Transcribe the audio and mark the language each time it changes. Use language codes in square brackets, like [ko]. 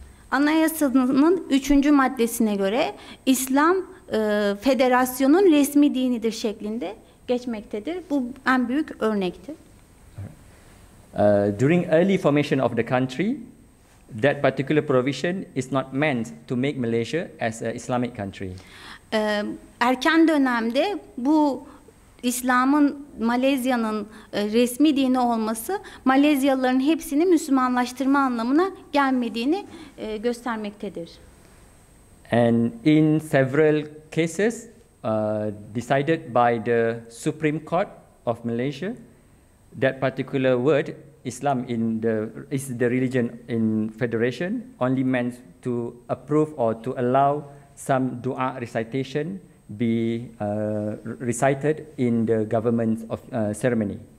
[tr] Anayasanın üçüncü maddesine göre İslam federasyonun resmi dinidir şeklinde geçmektedir. Bu en büyük örnektir. [en] During early formation of the country, that particular provision is not meant to make Malaysia as an Islamic country. [tr] Erken dönemde bu İslam'ın Malezya'nın resmi dini olması Malezyalıların hepsini Müslümanlaştırma anlamına gelmediğini göstermektedir. [en] And in several cases decided by the Supreme Court of Malaysia, that particular word Islam is the religion in federation only meant to approve or to allow some dua recitation be recited in the government of ceremony.